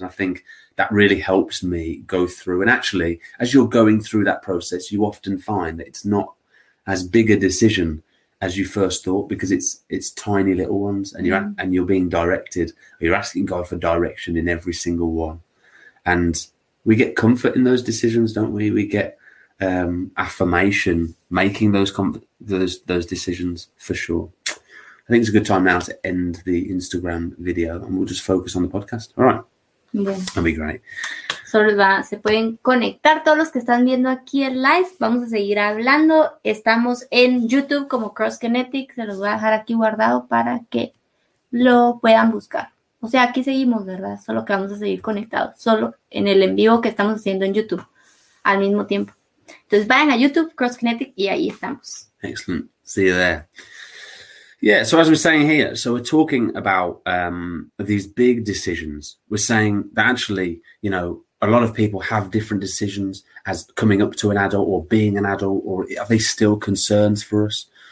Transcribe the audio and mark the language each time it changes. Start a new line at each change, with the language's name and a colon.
English: And I think that really helps me go through. And actually, as you're going through that process, you often find that it's not as big a decision as you first thought, because it's tiny little ones, and you're being directed, or you're asking God for direction in every single one. And we get comfort in those decisions, don't we? We get affirmation making those decisions, for sure. I think it's a good time now to end the Instagram video and we'll just focus on the podcast. All right.
Spanish: Bien.
English: That'd be great.
Spanish: Solo va, se pueden conectar todos los que están viendo aquí el live. Vamos a seguir hablando. Estamos en YouTube como Cross Kinetic. Se los voy a dejar aquí guardado para que lo puedan buscar. O sea, aquí seguimos, ¿verdad? Solo que vamos a seguir conectados. Solo en el en vivo que estamos haciendo en YouTube al mismo tiempo. Entonces vayan a YouTube, Cross Kinetic, y ahí estamos.
English: Excellent. See you there. Yeah, so as we're saying here, so we're talking about these big decisions. We're saying that actually, you know, a lot of people have different decisions as coming up to an adult or being an adult, or are they still concerns for us?